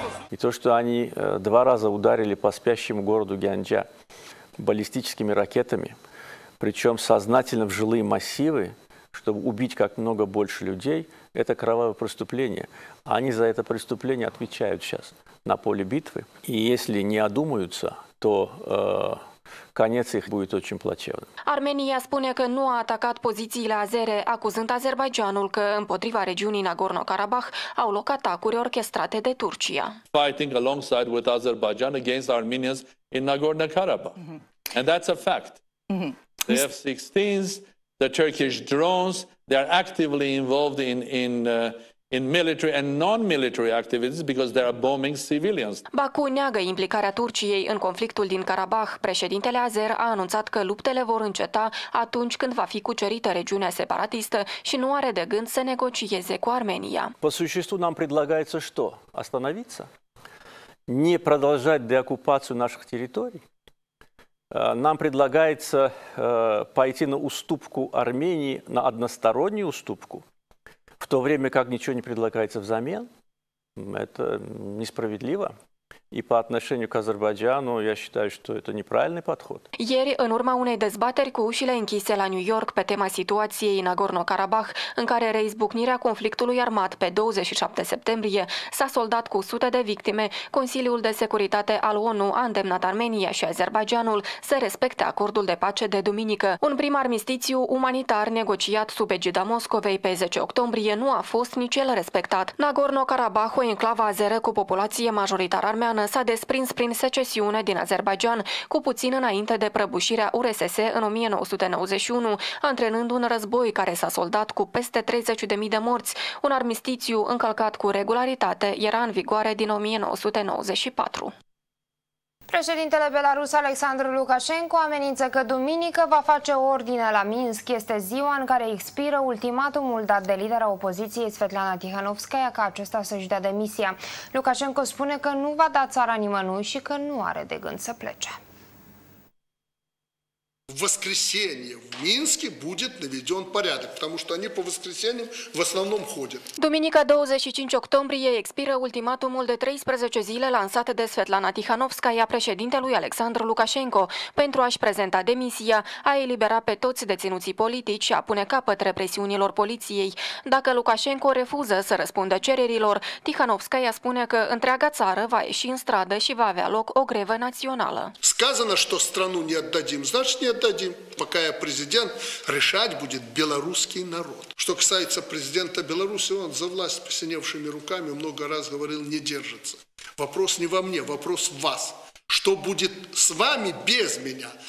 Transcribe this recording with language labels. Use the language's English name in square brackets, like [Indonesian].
[Russian] И то, что они два раза ударили по спящему городу Гянджа баллистическими ракетами, причем сознательно в жилые массивы, чтобы убить как много больше людей, это кровавое преступление. Они за это преступление отвечают сейчас на поле битвы. И если не одумаются, то конец их будет очень плачевным. [Romanian] Армения spune că nu a atacat pozițiile azere, acuzând Azerbaijanul că împotriva regiunii Nagorno-Karabakh au loc atacuri orchestrate de Turcia. [English] Fighting alongside with Azerbaijan against Armenians in Nagorno-Karabakh. And that's a fact. The F-16s, the Turkish drones, they are actively involved in military and non-military activities because they are bombing civilians. [Romanian] Baku neagă implicarea Turciei în conflictul din Karabakh. Președintele Azer a anunțat că luptele vor înceta atunci când va fi cucerită regiunea separatistă și nu are de gând să negocieze cu Armenia. [Russian] По существу нам предлагается что? Остановиться? Не продолжать деоккупацию наших территорий? Нам предлагается пойти на уступку Армении, на одностороннюю уступку, в то время как ничего не предлагается взамен. Это несправедливо. И по отношению к Азербайджану, я считаю, что это неправильный подход. [Romanian] Ieri, în urma unei dezbateri cu ușile închise la New York pe tema situației în Nagorno-Karabakh, în care reizbucnirea conflictului armat pe 27 septembrie s-a soldat cu sute de victime, Consiliul de Securitate al ONU a îndemnat Armenia și Azerbaidjanul să respecte acordul de pace de duminică. Un prim armistițiu umanitar negociat sub egida Moscovei pe 10 octombrie nu a fost nici el respectat. Nagorno-Karabakh, o enclavă azeră cu populație majoritar armeană, s-a desprins prin secesiune din Azerbaidjan, cu puțin înainte de prăbușirea URSS în 1991, antrenând un război care s-a soldat cu peste 30.000 de morți. Un armistițiu încălcat cu regularitate era în vigoare din 1994. Președintele Belarus Alexandru Lukashenko amenință că duminică va face ordine la Minsk. Este ziua în care expiră ultimatumul dat de lidera opoziției Svetlana Tihanovskaya ca acesta să-și dea demisia. Lukashenko spune că nu va da țara nimănui și că nu are de gând să plece. [Russian] В воскресенье в Минске будет наведен порядок, потому что они по воскресеньям в основном ходят. [Romanian] Duminica 25 octombrie expiră ultimatumul de 13 zile lansat de Svetlana Tihanovskaya președintelui Alexandru Lukashenko pentru a-și prezenta demisia, a elibera pe toți deținuții politici și a pune capăt represiunilor poliției. Dacă Lukashenko refuză să răspundă cererilor, Tihanovskaya spune că întreaga țară va ieși în stradă și va avea loc o grevă națională. [Russian] Сказано, что страну не отдадим, значит не отдадим. Пока я президент, решать будет белорусский народ. Что касается президента Беларуси, он за власть посиневшими руками много раз говорил, не держится. Вопрос не во мне, вопрос в вас. Что будет с вами без меня?